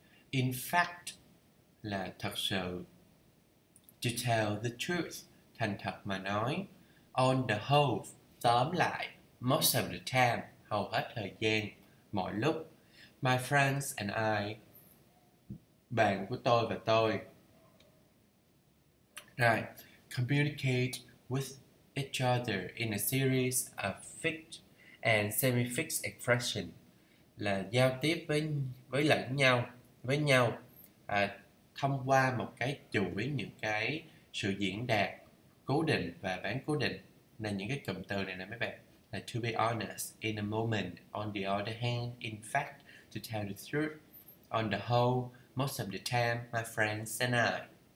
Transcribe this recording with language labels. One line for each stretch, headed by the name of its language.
English: In fact
Vietnamese: là thật sự.
English: To tell the truth,
Vietnamese: thành thật mà nói.
English: On the whole,
Vietnamese: tóm lại.
English: Most of the time,
Vietnamese: hầu hết thời gian, mọi lúc.
English: My friends and I,
Vietnamese: bạn của tôi và tôi.
English: Right, communicate with each other in a series of fixed and semi-fixed expressions.
Vietnamese: Là giao tiếp với lẫn nhau, với nhau thông qua một cái chuỗi những cái sự diễn đạt cố định và bán cố định. Là những cái cụm từ này nè mấy bạn.
English: Like, to be honest, in a moment, on the other hand, in fact, to tell the truth, on the whole, most of the time, my friends and I.